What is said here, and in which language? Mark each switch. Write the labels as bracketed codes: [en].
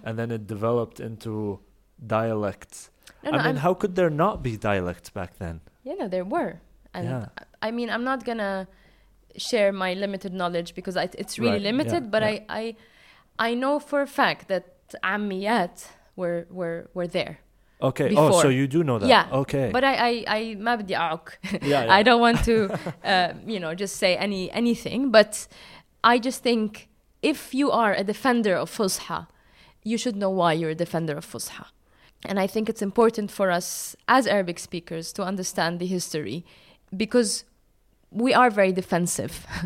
[en] And then it developed into dialects. I mean, how could there not be dialects back then? Yeah, no, there were. And yeah. I mean, I'm not going to share my limited knowledge because it's really right. limited. Yeah. But yeah. I know for a fact that Ammiyat were there. Okay. Before. Oh, so you do know that. Yeah. Okay. But I [ar] ما بدي أعوك. [en] I don't want to, you know, just say anything. But I just think if you are a defender of Fusha, you should know why you're a defender of Fusha. And I think it's important for us as Arabic speakers to understand the history because we are very defensive.